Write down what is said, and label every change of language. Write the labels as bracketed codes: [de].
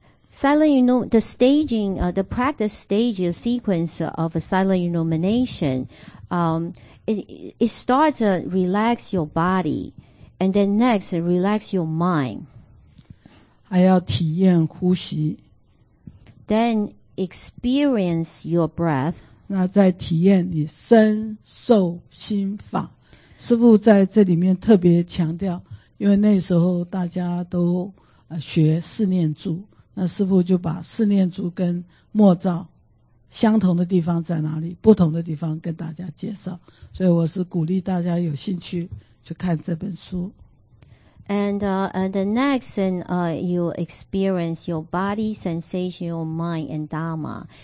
[en] Silent the staging, the practice stage sequence of a silent illumination, it starts to relax your body, and then next relax your mind. [zh] 还要体验呼吸。 [en] Then experience your breath. [zh] 那在体验你身受心法，师父在这里面特别强调，因为那时候大家都学四念住，那师父就把四念住跟默照相同的地方在哪里，不同的地方跟大家介绍，所以我是鼓励大家有兴趣去看这本书。 [en] And the next, you experience your body, sensation, your mind, and Dharma.